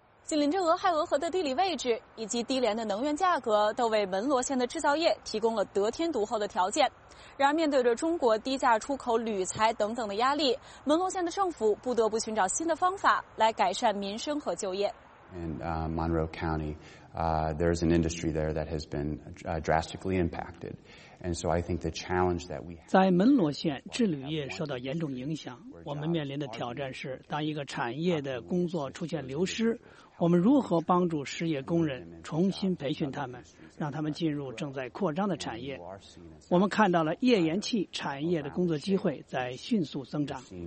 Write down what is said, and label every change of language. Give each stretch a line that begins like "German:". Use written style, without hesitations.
Chinese: 紧邻着俄亥俄河的地理位置以及低廉的能源价格，都为门罗县的制造业提供了得天独厚的条件。然而，面对着中国低价出口铝材等等的压力，门罗县的政府不得不寻找新的方法来改善民生和就业。
English: In Monroe County, there is an industry there that has been drastically impacted, and so I think the challenge that we
Chinese: 在门罗县制铝业受到严重影响，我们面临的挑战是，当一个产业的工作出现流失，我们如何帮助失业工人重新培训他们，让他们进入正在扩张的产业？我们看到了页岩气产业的工作机会在迅速增长。